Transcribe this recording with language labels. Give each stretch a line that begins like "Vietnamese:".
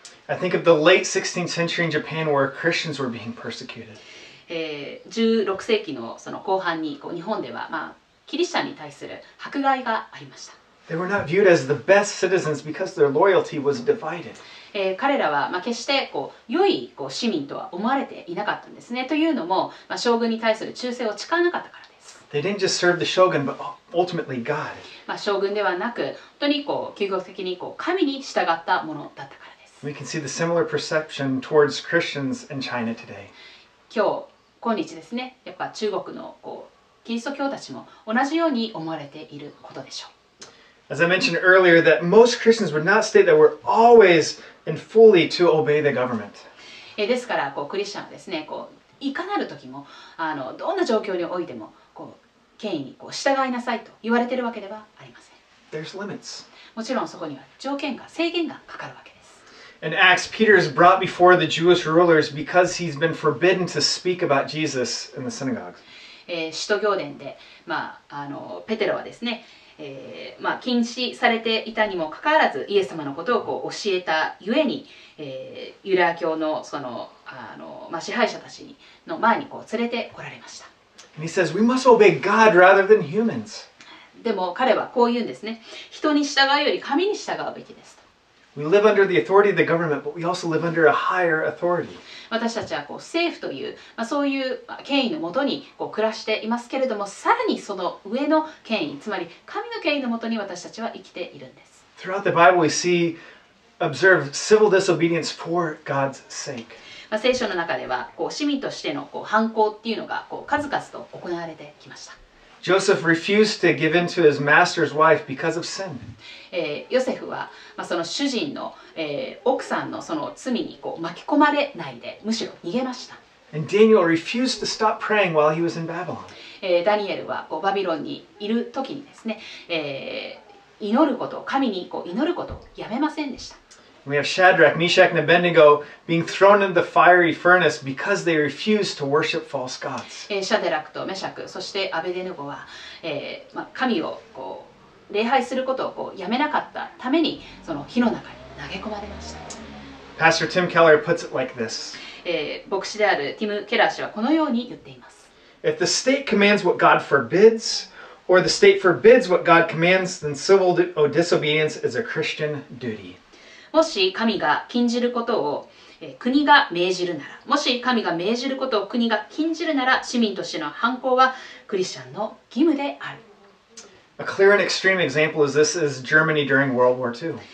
English: I think of the late 16th century in Japan where Christians were being persecuted.
Japanese: 16世紀のその後半にこう日本ではまあキリシタンに対する迫害がありました。
English: They were not viewed as the best citizens because their loyalty was divided.
Japanese: 彼らはまあ決してこう良いこう市民とは思われていなかったんですね。というのもまあ将軍に対する忠誠を誓わなかったからです。
English: They didn't just serve the shogun, but ultimately God.
Japanese: まあ将軍ではなく本当にこう究極的にこう神に従ったものだったから。
English: We can see the similar perception towards Christians in China today.
Japanese: 今日ですね、やっぱ中国のこうキリスト教たちも同じように思われていることでしょう。
English: As I mentioned earlier, that most Christians would not state that we're always and fully to obey the government.
Japanese: ですからこうクリスチャンはですね、こういかなる時もどんな状況においてもこう権威にこう従いなさいと言われているわけではありません。
English: There's limits.
Japanese: もちろんそこには条件が制限がかかるわけです。
English: In Acts, Peter is brought before the Jewish rulers because he's been forbidden to speak about Jesus in the synagogues.
Japanese: 使徒行伝で、まあペテロはですね、まあ禁止されていたにもかかわらずイエス様のことをこう教えたゆえに、ユダヤ教のその支配者たちの前にこう連れてこられました。
English: And he says, "We must obey God rather than humans."
Japanese: でも彼はこう言うんですね、人に従うより神に従うべきです。
English: We live under the authority of the government, but we also live under a higher authority.
Japanese: 私たちはこう政府という、まあ、そういう権威のもとにこう暮らしていますけれども、さらにその上の権威、つまり神の権威のもとに私たちは生きているんです。
English: Throughout the Bible, we see observe civil disobedience for God's sake.
Japanese: まあ聖書の中ではこう市民としてのこう反抗っていうのがこう数々と行われてきました。
English: Joseph refused to give in to his master's wife because of sin.
Japanese: ヨセフは、まあ、その主人の、奥さんのその罪にこう巻き込まれないで、むしろ逃げました。
English: And Daniel refused to stop praying while he was in Babylon.
Japanese: ダニエルはこうバビロンにいる時にですね、祈ること、神にこう祈ることをやめませんでした。
English: We have Shadrach, Meshach, and Abednego being thrown into the fiery furnace because they refused to worship false gods.
Japanese: シャデラクとメシャク、そしてアベデヌゴは、まあ、神をこう礼拝することをこうやめなかったためにその火の中に投げ込まれました。
English: Pastor Tim Keller puts it like this.
Japanese: 牧師であるティム・ケラー氏はこのように言っています。
English: If the state commands what God forbids, or the state forbids what God commands, then civil disobedience is a Christian duty.
Japanese: もし神が禁じることを国が命じるなら、もし神が命じることを国が禁じるなら、市民としての反抗はクリスチャンの義務である。
English: A clear and extreme example is this is Germany during World War II.